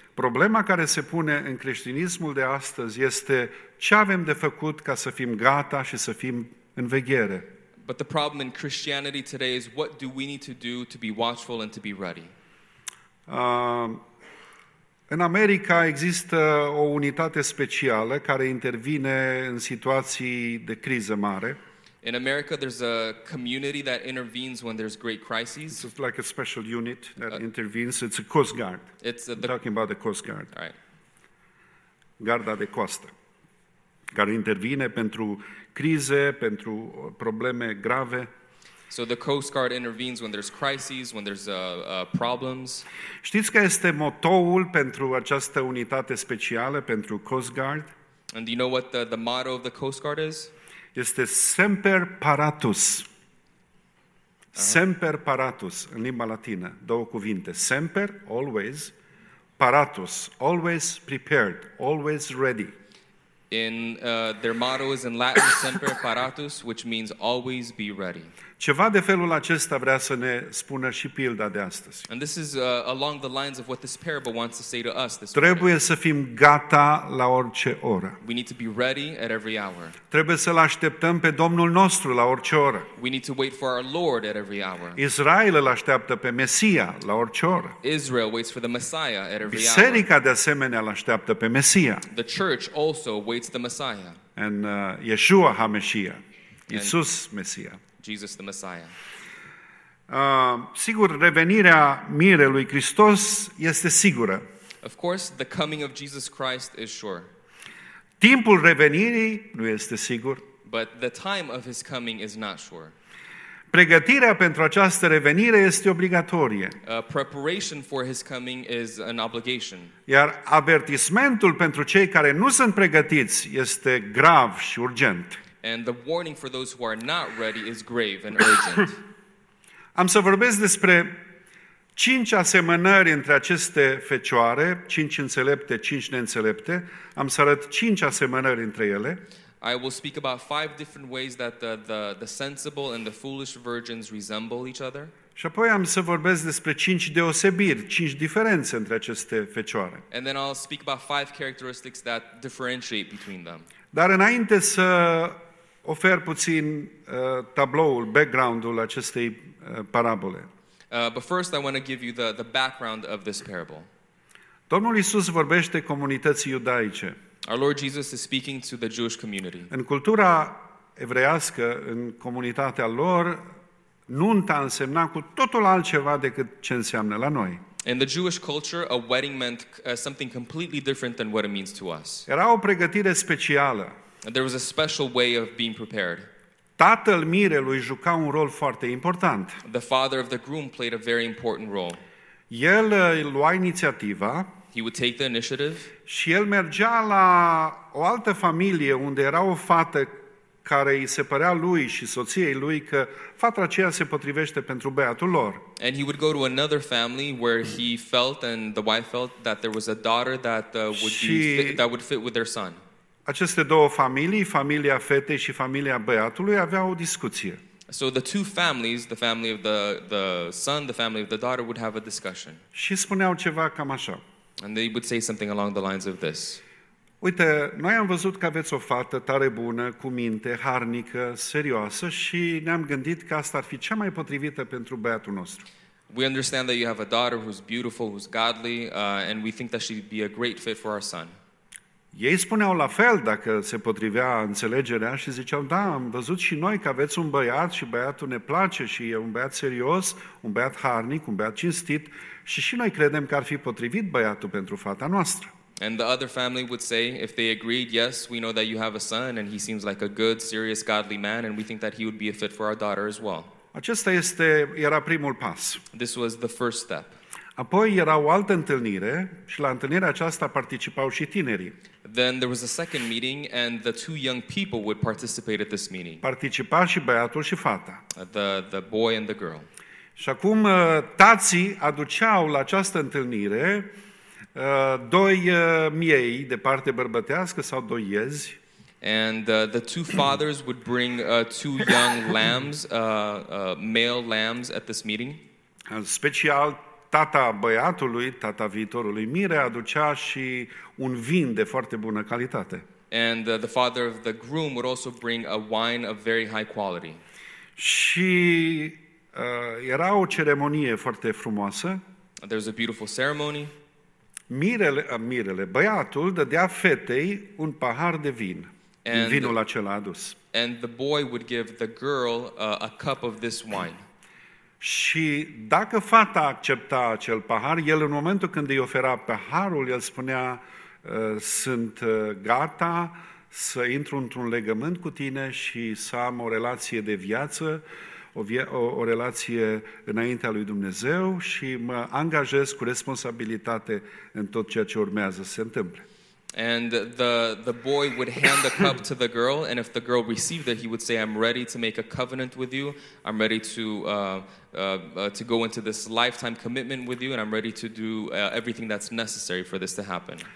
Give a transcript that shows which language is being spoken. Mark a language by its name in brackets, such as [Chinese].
[Romanian] Problema care se pune în creștinismul de astăzi este ce avem de făcut ca să fim gata și să fim în veghere. [English] But the problem in Christianity today is what do we need to do to be watchful and to be ready. [Romanian] În America există o unitate specială care intervine în situații de criză mare. [English] In America there's a community that intervenes when there's great crises. It's like a special unit that intervenes. It's a Coast Guard. Talking about the Coast Guard. [Romanian] Garda de coastă. Care intervine pentru crize, pentru probleme grave. [English] So the Coast Guard intervenes when there's crises, when there's problems. [Romanian] Știți că este motoul pentru această unitate specială, pentru Coast Guard? [English] And do you know what the motto of the Coast Guard is? [Romanian] Este Semper Paratus. Semper Paratus, în limba latină, două cuvinte. [English] Semper, always, paratus, always prepared, always ready. In their motto is in Latin Semper Paratus, which means always be ready. [Romanian] Ceva de felul acesta vrea să ne spună și pilda de astăzi. [English] And this is along the lines of what this parable wants to say to us this morning. [Romanian] Trebuie să fim gata la orice oră. [English] We need to be ready at every hour. [Romanian] Trebuie să-l așteptăm pe Domnul nostru la orice oră. [English] We need to wait for our Lord at every hour. [Romanian] Israel îl așteaptă pe Mesia la orice oră. [English] Israel waits for the Messiah at every hour. [Romanian] Biserica de asemenea îl așteaptă pe Mesia. [English] The church also waits the Messiah. And Yeshua HaMashiach. Iisus Mesia. Jesus the Messiah. [Romanian] Sigur, revenirea mirelui Hristos este sigură. [English] Of course, the coming of Jesus Christ is sure. [Romanian] Timpul revenirii nu este sigur. [English] But the time of his coming is not sure. [Romanian] Pregătirea pentru această revenire este obligatorie. [English] Preparation for his coming is an obligation. [Romanian] Iar avertismentul pentru cei care nu sunt pregătiți este grav și urgent. [English] And the warning for those who are not ready is grave and urgent. [Romanian] Am să vorbesc despre cinci asemănări între aceste fecioare, cinci înțelepte, cinci neînțelepte. Am să arăt cinci asemănări între ele. [English] I will speak about five different ways that the sensible and the foolish virgins resemble each other. [Romanian] Și apoi am să vorbesc despre cinci deosebiri, cinci diferențe între aceste fecioare. [English] And then I'll speak about five characteristics that differentiate between them. [Romanian] Dar înainte să ofer puțin tabloul, background-ul acestei parabole. [English] But first I want to give you the background of this parable. [Romanian] Domnul Iisus vorbește comunității iudaice. [English] Our Lord Jesus is speaking to the Jewish community. [Romanian] În cultura evreiască, în comunitatea lor, nunta însemna cu totul altceva decât ce înseamnă la noi. [English] In the Jewish culture, a wedding meant something completely different than what it means to us. [Romanian] Era o pregătire specială. [English] There was a special way of being prepared. [Romanian] Tatăl mirelui juca un rol foarte important. [English] The father of the groom played a very important role. [Romanian] El lua inițiativa. [English] He would take the initiative. [Romanian] Și el mergea la o altă familie unde era o fată care îi se părea lui și soției lui că fata aceea se potrivește pentru băiatul lor. [English] And he would go to another family where he felt and the wife felt that there was a daughter that would fit with their son. [Romanian] Aceste două familii, familia fetei și familia băiatului, aveau o discuție. [English] So the two families, the family of the son, the family of the daughter would have a discussion. [Romanian] Și spuneau ceva cam așa. [English] And they would say something along the lines of this. [Romanian] Uite, noi am văzut că aveți o fată tare bună, cu minte, harnică, serioasă și ne-am gândit că asta ar fi cea mai potrivită pentru băiatul nostru. [English] We understand that you have a daughter who's beautiful, who's godly, and we think that she'd be a great fit for our son. [Romanian] Ei spuneau la fel dacă se potrivea înțelegerea și ziceau, da, am văzut și noi că aveți un băiat și băiatul ne place și e un băiat serios, un băiat harnic, un băiat cinstit și noi credem că ar fi potrivit băiatul pentru fata noastră. [English] And the other family would say, if they agreed, yes, we know that you have a son, and he seems like a good, serious, godly man, and we think that he would be a fit for our daughter as well. [Romanian] Acesta este, era primul pas. [English] This was the first step. [Romanian] Apoi era o altă întâlnire, și la întâlnirea aceasta participau și tinerii. [English] Then there was a second meeting, and the two young people would participate at this meeting. [Romanian] Participa și băiatul și fata. [English] The boy and the girl. [Romanian] Și acum tații aduceau la această întâlnire doi miei de parte bărbătească sau doi iezi. [English] And the two fathers would bring two young lambs, male lambs at this meeting. [Romanian] În special tata băiatului, tata viitorului mire, aducea și un vin de foarte bună calitate. [English] And the father of the groom would also bring a wine of very high quality. [Romanian] Și era o ceremonie foarte frumoasă. [English] There was a beautiful ceremony. [Romanian] Mirele, băiatul dădea fetei un pahar de vin. [English] And [Romanian] vinul acela adus. [English] And the boy would give the girl a cup of this wine. [Romanian] Și dacă fata accepta acel pahar, el în momentul când îi ofera paharul, el spunea: sunt gata să intru într-un legământ cu tine și să am o relație de viață, o relație înaintea lui Dumnezeu și mă angajez cu responsabilitate în tot ceea ce urmează să se întâmple. [English] And the boy would hand the cup to the girl, and if the girl received it, he would say, I'm ready to make a covenant with you, I'm ready to go into this lifetime commitment with you, and I'm ready to do everything that's necessary for this to happen.